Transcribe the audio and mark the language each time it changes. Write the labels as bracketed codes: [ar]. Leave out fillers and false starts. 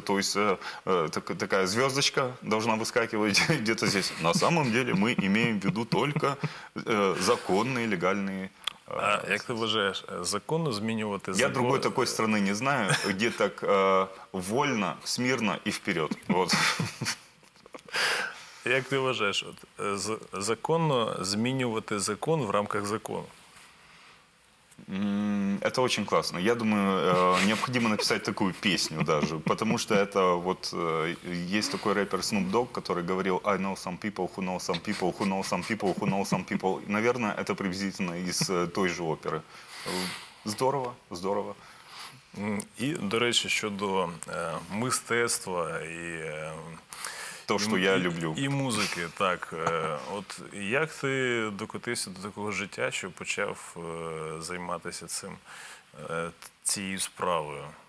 [ru] То есть такая звездочка должна выскакивать где-то здесь. На самом деле мы имеем в виду только законные, легальные. А как ты вважаешь, законно изменивать закон? Я другой такой страны не знаю, где так вольно, смирно и вперед. Вот. [uk] Як ти вважаєш, законно змінювати закон в рамках закону? [ru] Это очень классно. Я думаю, необходимо написать такую песню даже, потому что это вот есть такой рэпер Snoop Dogg, который говорил [en] «I know some people [ru] who know some people who know some people who know some people». Наверное, это приблизительно из той же оперы. Здорово, здорово. [uk] И, до речи, щодо мистецтва и... [ru] То, что я люблю. И музыки, так. [uk] От як ти докотився до такого життя, що почав займатися цим, цією справою?